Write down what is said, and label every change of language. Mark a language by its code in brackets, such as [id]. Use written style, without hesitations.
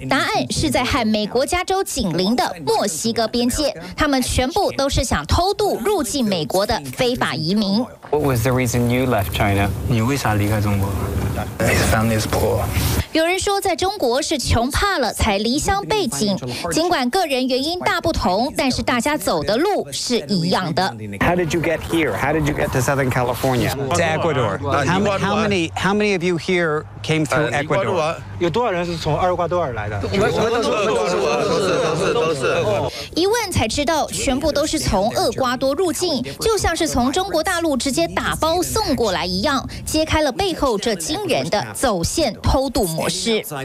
[zh] 答案是在和美国加州紧邻的墨西哥边界，他们全部都是想偷渡入境美国的非法移民。 [en] What was the reason you left China？ [zh] 你为啥离开中国 [en] ？His family is poor。 [zh] 有人说在中国是穷怕了才离乡背井，尽管个人原因大不同，但是大家走的路是一样的。 [en] How did you get here? How did you get to Southern California? To Ecuador. How many of you here came through Ecuador? [zh] 有多少人是从厄瓜多尔来的？一问才知道，全部都是从厄瓜多入境，就像是从中国大陆直接打包送过来一样，揭开了背后这惊人的走线偷渡模式。